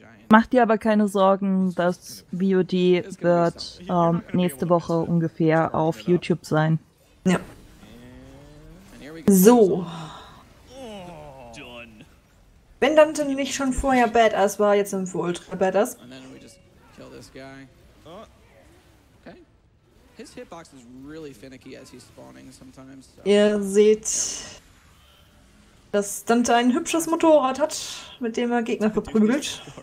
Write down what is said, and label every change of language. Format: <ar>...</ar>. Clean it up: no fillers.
<de>Mach dir aber keine Sorgen, das VOD wird nächste Woche ungefähr auf YouTube sein. Ja. So. Wenn Dante nicht schon vorher Badass war, jetzt sind wir ultra Badass. Und dann</de> <en>wir just kill this guy. Oh. Okay. His hitbox is really finicky as he's spawning sometimes. So.</en> <de>Ihr seht, dass Dante ein hübsches Motorrad hat, mit dem er Gegner verprügelt.</de>